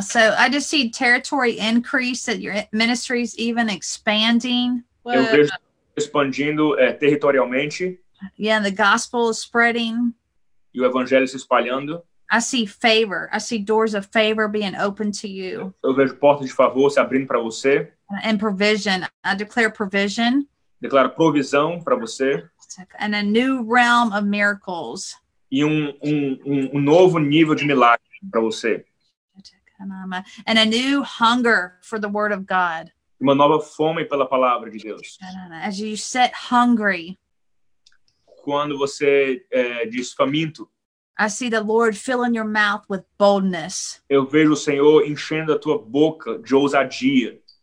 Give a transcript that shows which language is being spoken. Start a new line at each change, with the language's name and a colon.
English: So I just see territory increase, that your ministry is even expanding.
Portuguese: Expandindo territorialmente.
English: Yeah, the gospel is spreading.
Portuguese: E o evangelho se espalhando.
English: I see favor. I see doors of favor being open to you.
Portuguese: Eu vejo portas de favor se abrindo para você.
English: And provision. I declare provision.
Portuguese: Declaro provisão para você.
English: And a new realm of miracles.
Portuguese: E um novo nível de milagre para você.
English: And a new hunger for the word of God.
Portuguese: Uma nova fome pela palavra de Deus.
English: As you sit hungry.
Portuguese: Quando você diz faminto.
English: I see the Lord filling your mouth with boldness.
Portuguese: Eu vejo o Senhor enchendo a tua boca de ousadia.